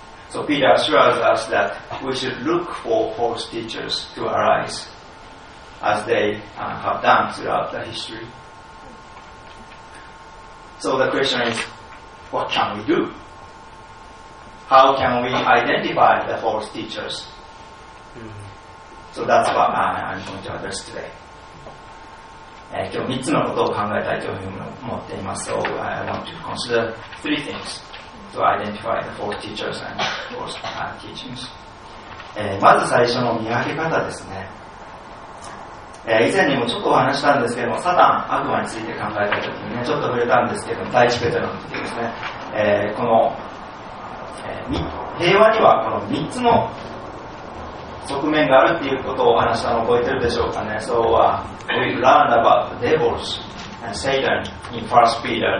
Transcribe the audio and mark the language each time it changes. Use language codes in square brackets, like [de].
[en] So Peter assures us that we should look for false teachers to arise, as they have done throughout the history. So the question is, what can we do? How can we identify the false teachers? So that's what I'm going to address today. [ja] 今日3つのことを考えたいというふうに思っています。 [en] So I want to consider three things to identify the false teachers and false teachings. [ja] まず最初の見分け方ですね。以前にもちょっとお話したんですけども、サタン、悪魔について考えたときにね、ちょっと触れたんですけども、第一ペテロの時ですね。この、平和にはこの3つの側面があるっていうことをお話したの覚えてるでしょうかね。 [en] So, we learned about the devils and Satan in First Peter.